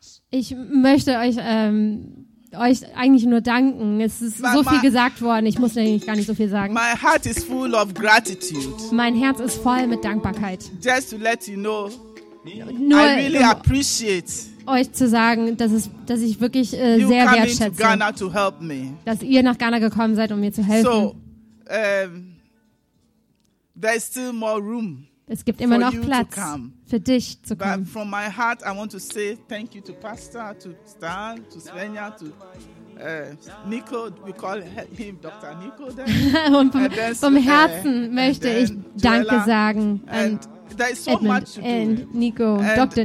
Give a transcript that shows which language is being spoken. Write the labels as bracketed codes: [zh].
[de] Ich möchte euch eigentlich nur danken. Es ist so viel gesagt worden, ich muss eigentlich gar nicht so viel sagen. [en] My heart is full of gratitude. [de] Mein Herz ist voll mit Dankbarkeit. [en] Just to let you know, nur, I really appreciate [de] euch zu sagen, dass ich wirklich sehr wertschätze, [en] to Ghana to help me. [de] Dass ihr nach Ghana gekommen seid, um mir zu helfen. [en] So, there's still more room. [de] Es gibt immer noch Platz für dich zu kommen. [en] But from my heart, I want to say thank you to Pastor, to Stan, to Svenja, to Nico. We call him Dr. Nico. [de] Und vom Herzen möchte ich Danke sagen an Edmund und Nico, Dr.